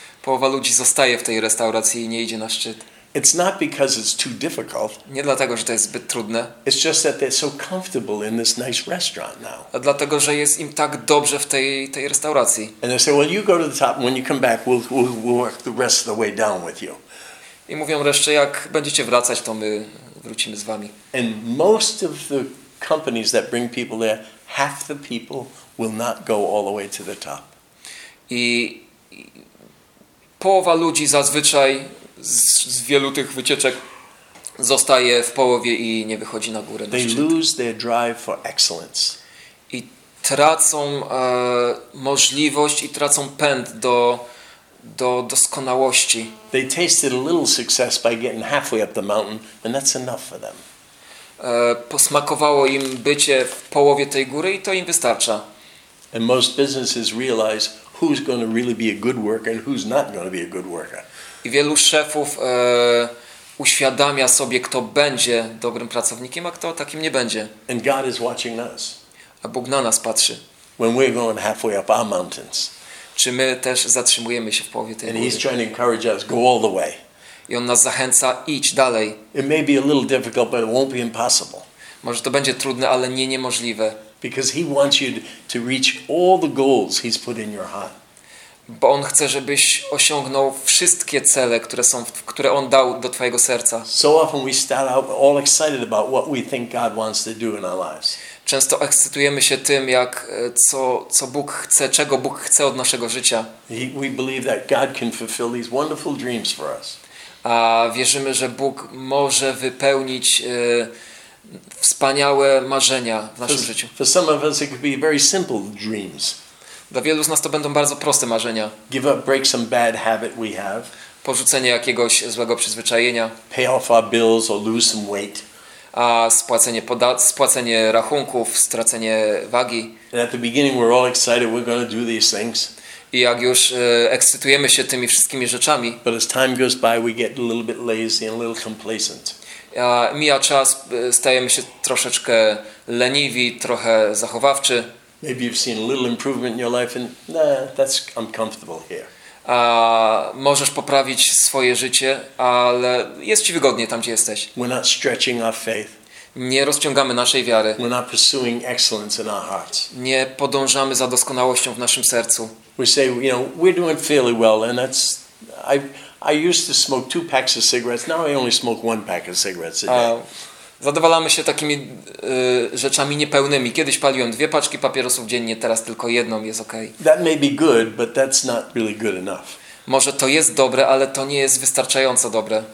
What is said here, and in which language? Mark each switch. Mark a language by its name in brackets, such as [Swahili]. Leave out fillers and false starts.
[Polish] Połowa ludzi zostaje w tej restauracji i nie idzie na szczyt. [English] It's not because it's too difficult. [Polish] Nie dlatego, że to jest zbyt trudne. [English] It's just that they're so comfortable in this nice restaurant now. [Polish] A dlatego, że jest im tak dobrze w tej restauracji. [English] And they say, well, you go to the top and when you come back, we'll work the rest of the way down with you. [Polish] I mówią reszcie, jak będziecie wracać, to my wrócimy z wami. [English] And most of the companies that bring people there, half the people will not go all the way to the top. [Polish] I połowa ludzi zazwyczaj z wielu tych wycieczek zostaje w połowie i nie wychodzi na górę. [English] They lose their drive for excellence. [Polish] I tracą możliwość i tracą pęd do doskonałości. [English] They tasted a little success by getting halfway up the mountain, and that's enough for them. [Polish] Posmakowało im bycie w połowie tej góry i to im wystarcza. [English] And most businesses realize who's going to really be a good worker and who's not going to be a good worker. [Polish] I wielu szefów uświadamia sobie, kto będzie dobrym pracownikiem, a kto takim nie będzie. [English] And God is watching us. [Polish] A Bóg na nas patrzy. [English] When we're going halfway up our mountains. [Polish] Czy my też zatrzymujemy się w połowie tej góry. [English] He's trying to encourage us, go all the way. [Polish] I on nas zachęca, idź dalej. [English] It may be a little difficult, but it won't be impossible. [Polish] Może to będzie trudne, ale nie niemożliwe. [English] Because he wants you to reach all the goals he's put in your heart. [Polish] Bo on chce, żebyś osiągnął wszystkie cele, które on dał do twojego serca. [English] So often we start out all excited about what we think God wants to do in our lives. [Polish] często ekscytujemy się tym, jak co Bóg chce, czego Bóg chce od naszego życia. [English] We believe that God can fulfill these wonderful dreams for us. [Polish] A wierzymy, że Bóg może wypełnić wspaniałe marzenia w naszym życiu. [English] For some of us it could be very simple dreams. [Polish] Dla wielu z nas to będą bardzo proste marzenia. [English] Give up, break some bad habit we have. [Polish] Porzucenie jakiegoś złego przyzwyczajenia. [English] Pay off our bills or lose some weight. [Polish] A spłacenie rachunków, stracenie wagi. [English] And at the beginning we're all excited, we're going to do these things. [Polish] I jak już ekscytujemy się tymi wszystkimi rzeczami. [English] But as time goes by, we get a little bit lazy and a little complacent. [Polish] Mija czas, stajemy się troszeczkę leniwi, trochę zachowawczy. [English] Maybe you've seen a little improvement in your life and nah, that's I'm comfortable here. [Polish] A możesz poprawić swoje życie, ale jest ci wygodnie tam, gdzie jesteś. [English] We're not stretching our faith. [Polish] Nie rozciągamy naszej wiary. [English] We're not pursuing excellence in our hearts. [Polish] Nie podążamy za doskonałością w naszym sercu. [English] We say, you know, we're doing fairly well, and that's I used to smoke 2 packs of cigarettes. Now I only smoke 1 pack of cigarettes a day. [Polish] Zadowalamy się takimi rzeczami niepełnymi. Kiedyś paliłem 2 paczki papierosów dziennie, teraz tylko 1, jest okej. [English] That may be good, but that's not really good enough. [Polish] Może to jest dobre, ale to nie jest wystarczająco dobre.